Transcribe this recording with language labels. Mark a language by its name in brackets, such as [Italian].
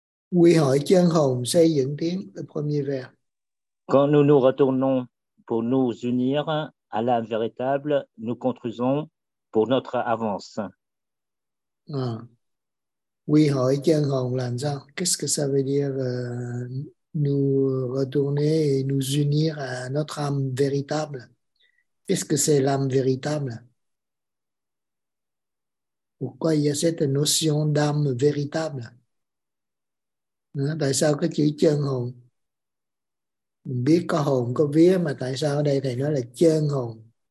[Vietnamese] Quy hội chân hồn xây dựng tiếng, [French] le premier vers. Quand nous nous retournons pour nous unir à l'âme véritable, nous construisons pour notre avance. [Vietnamese] Quy hội chân hồn là sao? [French] Qu'est-ce que ça veut dire nous retourner et nous unir à notre âme véritable? Qu'est-ce que c'est l'âme véritable? Pourquoi il y a cette notion d'âme véritable? [Vietnamese] Tại sao cái chữ chân hồn? Mình biết có hồn, có vía, mà tại sao ở đây thầy nói là chân hồn?